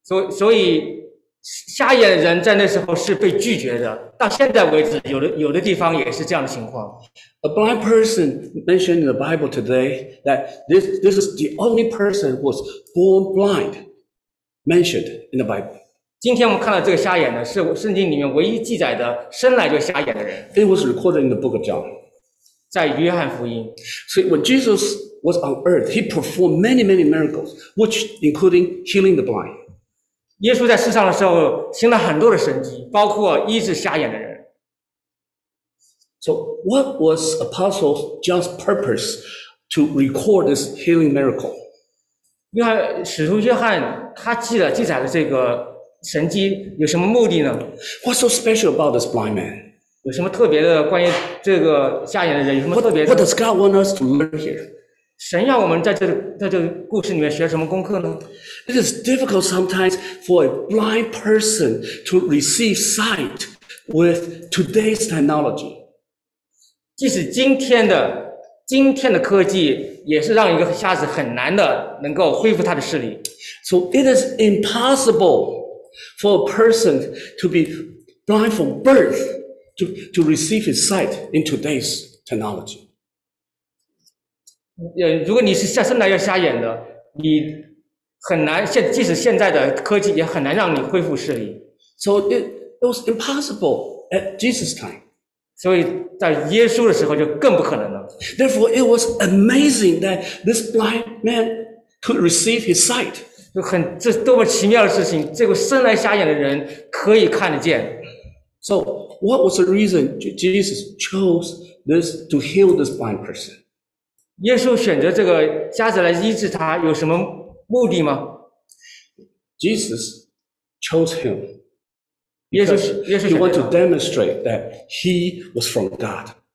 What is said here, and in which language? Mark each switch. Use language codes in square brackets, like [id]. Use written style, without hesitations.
[zh] 所以瞎眼的人在那时候是被拒绝的，到现在为止有的地方也是这样的情况。 [en] A blind person mentioned in the Bible today that this is the only person who was born blind mentioned in the Bible. [zh] 今天我们看到这个瞎眼的是圣经里面唯一记载的生来就瞎眼的人。 [en] It was recorded in the book of John. [zh] 在约翰福音。 [en] So when Jesus was on earth, he performed many, many miracles, which including healing the blind. [zh] 耶稣在世上的时候行了很多的神迹，包括医治瞎眼的人。 [en] So what was Apostle John's purpose to record this healing miracle? [zh] 使徒约翰他记载了这个神迹有什么目的呢？ [en] What's so special about this blind man? [zh] 有什么特别的关于这个瞎眼的人？有什么特别的？ [en] What does God want us to learn here? [zh] 神要我们在这个故事里面学什么功课呢？ [en] It is difficult sometimes for a blind person to receive sight with today's technology. [zh] 即使今天的科技也是让一个瞎子很难的能够恢复他的视力。 [en] So it is impossible for a person to be blind from birth to receive his sight in today's technology. [zh] 如果你是生来要瞎眼的，你很难，即使现在的科技也很难让你恢复视力。 [en] So it was impossible at Jesus' time. [zh] 所以在耶稣的时候就更不可能了。 [en] Therefore, it was amazing that this blind man could receive his sight. [zh] 这多么奇妙的事情，这个生来瞎眼的人可以看得见。 [en] So what was the reason Jesus chose this to heal this blind person? [zh] 耶稣选择这个瞎子来医治他有什么目的吗？ [en] Jesus chose him. [zh] 耶稣选择 [en] 他。He wanted to demonstrate that he was from God.